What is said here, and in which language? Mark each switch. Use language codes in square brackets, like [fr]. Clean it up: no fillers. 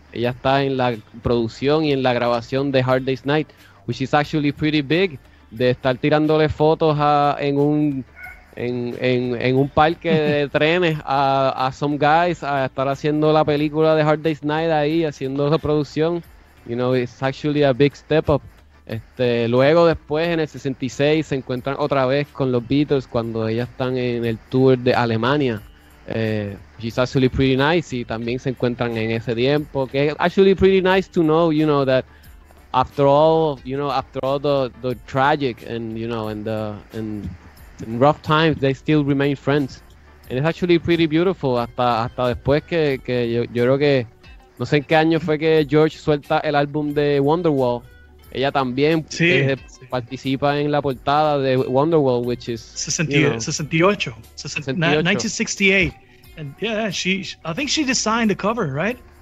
[es] Ella está en la producción y en la grabación de Hard Day's Night, [en] which is actually pretty big, [es] de estar tirándole fotos en un parque de trenes a [en] some guys, [es] a estar haciendo la película de Hard Day's Night ahí, haciendo la producción. [en] You know, it's actually a big step up. [es] Luego después en el 66 se encuentran otra vez con los Beatles cuando ellas están en el tour de Alemania. [en] She's actually pretty nice, [es] y también se encuentran en ese tiempo. [en] Okay, actually pretty nice to know, you know, that after all, you know, after all the tragic and, you know, and rough times, they still remain friends. And it's actually pretty beautiful. [es] Hasta después que yo creo que no sé en qué año fue que George suelta el álbum de Wonderwall. Ella también sí, participa en la portada de Wonderwall, [en] which is 1968, and yeah, she, I think she designed the cover, right?